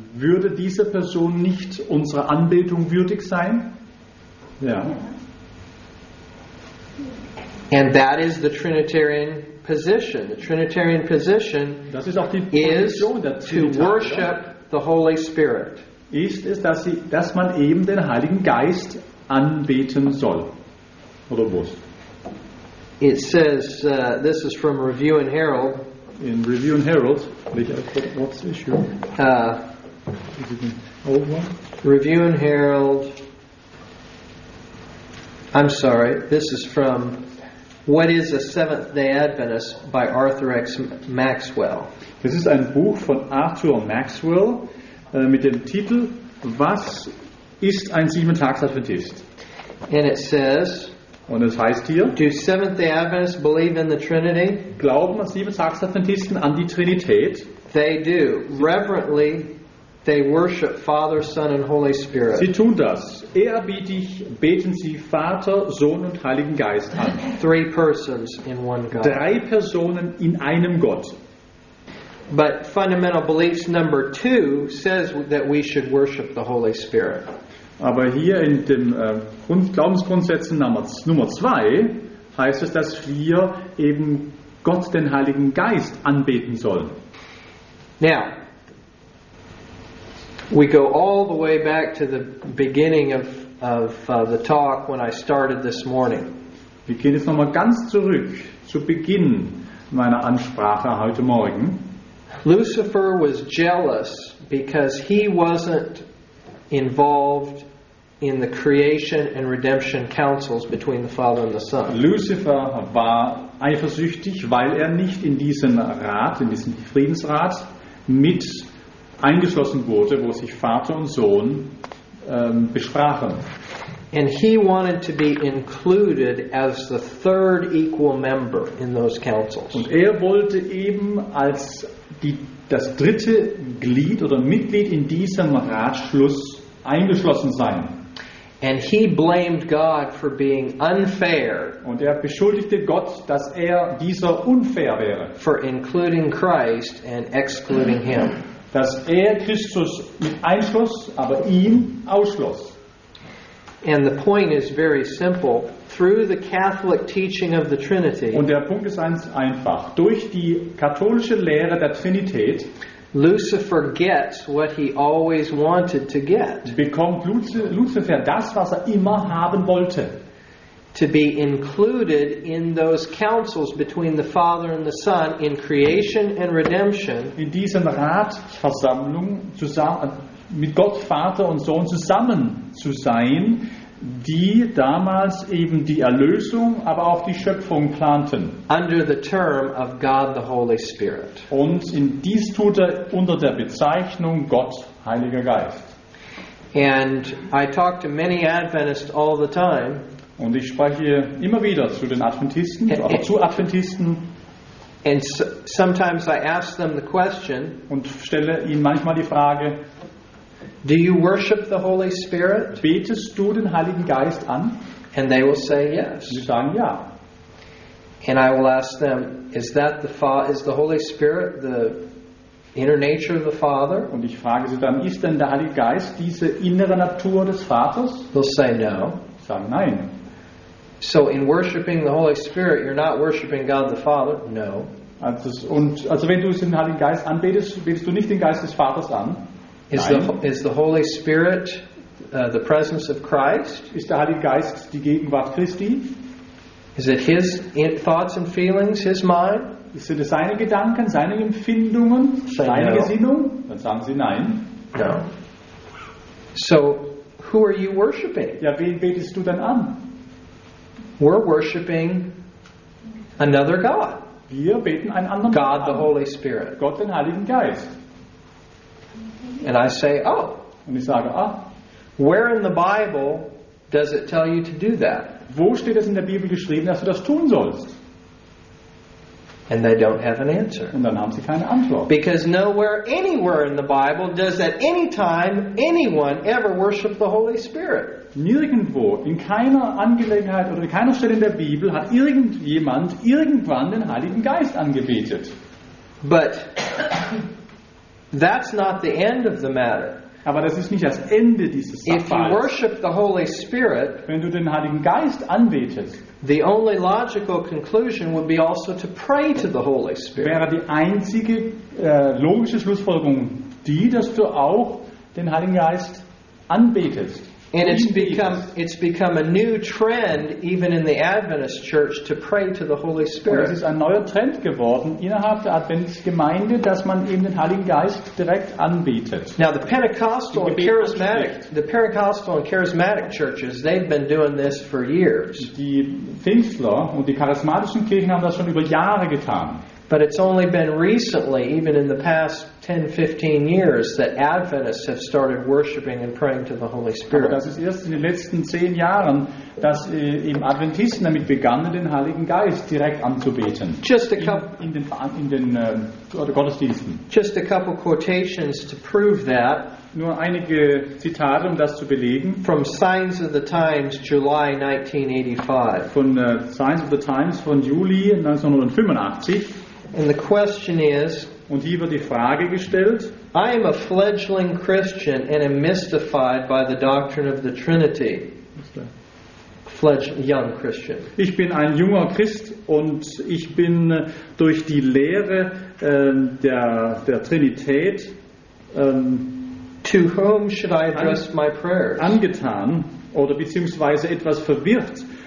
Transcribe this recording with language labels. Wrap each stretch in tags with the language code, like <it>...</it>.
<de>Würde diese Person nicht unsere Anbetung würdig sein? Ja.</de> <en>And that is the Trinitarian position. The Trinitarian position,</en> <de>das ist auch die Position der Trinität,</de> <en>is to worship,</en> <de>oder?</de> <en>The Holy Spirit.</en> <de>Ist es, dass man eben den Heiligen Geist anbeten soll? Oder muss?</de> <en>It says, this is from Review and Herald. In Review and Herald, what's the issue? Is it an old one? Review and Herald. I'm sorry, this is from What is a Seventh-day Adventist by Arthur X. Maxwell.</en> <de>Das ist ein Buch von Arthur Maxwell mit dem Titel Was ist ein Siebentagsadventist?</de> <en>And it says,</en> <de>und es heißt hier,</de> <en>do Seventh-day Adventists believe in the Trinity?</en> <de>Glauben Siebentagsadventisten an die Trinität?</de> <en>They do. Reverently, they worship Father, Son and Holy Spirit.</en> <de>Sie tun das. Ehrerbietig beten sie Vater, Sohn und Heiligen Geist an.</de> <en>Three persons in one God.</en> <de>Drei Personen in einem Gott.</de> <en>But fundamental beliefs number two says that we should worship the Holy Spirit.</en> <de>Aber hier in dem Glaubensgrundsätzen Nummer 2 heißt es, dass wir eben Gott, den Heiligen Geist, anbeten sollen.</de> <en>Now, we go all the way back to the beginning of the talk when I started this morning.</en> <de>Wir gehen jetzt nochmal ganz zurück zu Beginn meiner Ansprache heute Morgen.</de> <en>Lucifer was jealous because he wasn't involved in the creation and redemption councils between the Father and the Son.</en> <de>Lucifer war eifersüchtig, weil er nicht in diesen Rat, in diesen Friedensrat mit eingeschlossen wurde, wo sich Vater und Sohn besprachen.</de> <en>And he wanted to be included as the third equal member in those councils.</en> <de>Und er wollte eben als das dritte Glied oder Mitglied in diesem Ratschluss eingeschlossen sein.</de> <en>And he blamed God for being unfair.</en> <de>Und er beschuldigte Gott, dass er dieser unfair wäre.</de> <en>For including Christ and excluding him.</en> <de>Dass er Christus einschloss, aber ihn ausschloss.</de> <en>And the point is very simple. Through the Catholic teaching of the Trinity.</en> <de>Und der Punkt ist ganz einfach. Durch die katholische Lehre der Trinität.</de> <en>Lucifer gets what he always wanted to get.</en> <de>Bekommt Lucifer das, was er immer haben wollte.</de> <en>To be included in those councils between the Father and the Son in creation and redemption.</en> <de>In diesen Ratsversammlungen zusammen mit Gott Vater und Sohn zusammen zu sein, die damals eben die Erlösung, aber auch die Schöpfung planten.</de> <en>Under the term of God the Holy Spirit.</en> <de>Und in dies tut er unter der Bezeichnung Gott, Heiliger Geist.</de> <en>And I talk to many Adventists all the time.</en> <de>Und ich spreche immer wieder zu den Adventisten, aber zu Adventisten.</de> <en>And sometimes I ask them the question.</en> <de>Und stelle ihnen manchmal die Frage.</de> <en>Do you worship the Holy Spirit?</en> <de>Betest du den Heiligen Geist an?</de> <en>And they will say yes.</en> <de>Sie sagen ja.</de> <en>And I will ask them, is the Holy Spirit the inner nature of the Father?</en> <de>Und ich frage sie dann, ist denn der Heilige Geist diese innere Natur des Vaters?</de> <en>They'll say no.</en> <de>Sie sagen nein.</de> <en>So in worshiping the Holy Spirit, you're not worshiping God the Father? No.</en> <de>Also wenn du den Heiligen Geist anbetest, betest du nicht den Geist des Vaters an?</de> <en>Is the Holy Spirit the presence of Christ?</en> <de>Ist der Heilige Geist die Gegenwart Christi?</de> <en>Is it his thoughts and feelings, his mind?</en> <de>Sind es seine Gedanken, seine Empfindungen, seine Gesinnung? Dann sagen sie nein.</de> <en>No. So, who are you worshiping?</en> <de>Ja, wen betest du dann an?</de> <en>We're worshiping another God.</en> <de>Wir beten einen anderen</de> <en>God,</en> <de>Gott an.</de> <en>The Holy Spirit.</en> <de>Gott, den Heiligen Geist.</de> <en>And I say, oh.</en> <de>Und ich sage, ah.</de> <en>Where in the Bible does it tell you to do that?</en> <de>Wo steht es in der Bibel geschrieben, dass du das tun sollst?</de> <en>And they don't have an answer.</en> <de>Und dann haben sie keine Antwort.</de> <en>Because nowhere, anywhere in the Bible does at any time anyone ever worship the Holy Spirit.</en> <de>Nirgendwo, in keiner Angelegenheit oder in keiner Stelle in der Bibel hat irgendjemand irgendwann den Heiligen Geist angebetet.</de> <en>But that's not the end of the matter.</en> <de>Aber das ist nicht das Ende dieses Sachverhalts.</de> <en>If you worship the Holy Spirit,</en> <de>wenn du den Heiligen Geist anbetest,</de> <en>the only logical conclusion would be also to pray to the Holy Spirit.</en> <de>Wäre die einzige logische Schlussfolgerung die, dass du auch den Heiligen Geist anbetest.</de> <en>And it's become a new trend even in the Adventist Church to pray to the Holy Spirit.</en> <de>Und es ist ein neuer Trend geworden innerhalb der Adventsgemeinde, dass man eben den Heiligen Geist direkt anbietet.</de> <en>Now the Pentecostal and Charismatic churches, they've been doing this for years.</en> <de>Die Pfingstler und die charismatischen Kirchen haben das schon über Jahre getan.</de> <en>But it's only been recently, even in the past 10-15 years, that Adventists have started worshiping and praying to the Holy Spirit.</en> <de>Aber das ist erst in den letzten 10 Jahren, dass eben Adventisten damit begannen, den Heiligen Geist direkt anzubeten. Gottesdiensten.</de> <en>Just a couple quotations to prove that.</en> <de>Nur einige Zitate, um das zu belegen.</de> <en>From Signs of the Times, July 1985.</en> <de>Von Signs of the Times von Juli 1985.</de> <en>And the question is,</en> <de>und hier wird die Frage gestellt,</de> <en>I am a fledgling Christian and am mystified by the doctrine of the Trinity. Young Christian.</en> <de>Ich bin ein junger Christ und ich bin durch die Lehre der Trinität</de> <en>to whom should I address my prayers?</en> <de>Angetan oder beziehungsweise etwas verwirrt.</de>